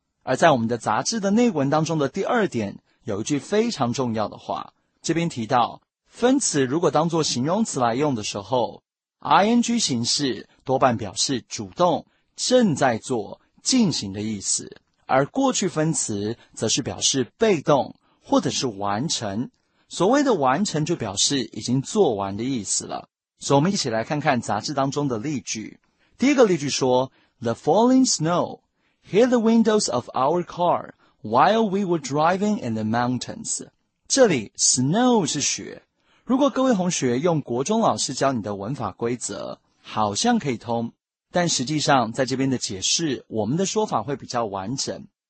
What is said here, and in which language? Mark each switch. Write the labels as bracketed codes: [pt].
[zh] 而在我们的杂志的内文当中的第二点有一句非常重要的话，这边提到分词如果当作形容词来用的时候， ing 形式多半表示主动、正在做、进行的意思，而过去分词则是表示被动或者是完成。所谓的完成就表示已经做完的意思了。所以我们一起来看看杂志当中的例句。第一个例句说 [en] The falling snow hit the windows of our car while we were driving in the mountains。 [zh] 这里 snow 是雪，如果各位同学用国中老师教你的文法规则好像可以通，但实际上在这边的解释我们的说法会比较完整。